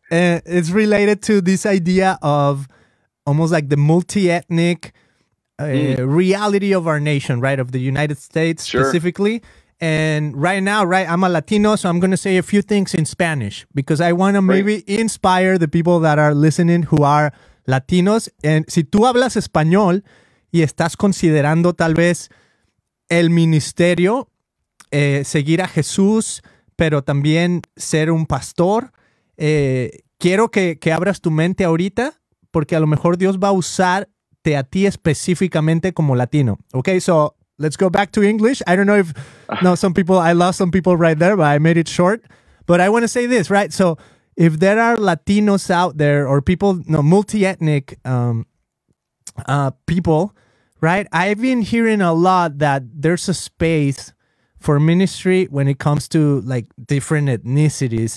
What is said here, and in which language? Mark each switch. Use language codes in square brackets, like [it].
[en] And it's related to this idea of almost like the multi-ethnic reality of our nation, right? Of the United States specifically. And right now, right, I'm a Latino, so I'm going to say a few things in Spanish because I want to maybe inspire the people that are listening who are Latinos. [es] And si tú hablas español y estás considerando tal vez el ministerio, seguir a Jesús, pero también ser un pastor, quiero que abras tu mente ahorita porque a lo mejor Dios va a usarte a ti específicamente como Latino. [en] Okay, so let's go back to English. I don't know if I lost some people right there, but I made it short. But I want to say this, right? So if there are Latinos out there or people, multi-ethnic people, right? I've been hearing a lot that there's a space for ministry when it comes to like different ethnicities.